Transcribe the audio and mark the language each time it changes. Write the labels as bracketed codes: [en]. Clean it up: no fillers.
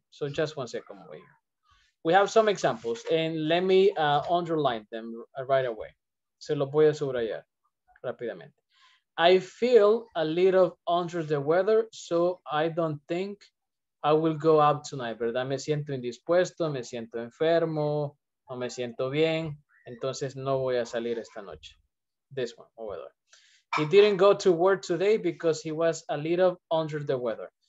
[en] So, just one second. We have some examples, and let me underline them right away. [es] Se lo voy a subrayar. Rápidamente. [en] I feel a little under the weather, so I don't think I will go out tonight, [es] ¿verdad? Me siento indispuesto, me siento enfermo, no me siento bien, entonces no voy a salir esta noche. [en] This one, over there. He didn't go to work today because he was a little under the weather.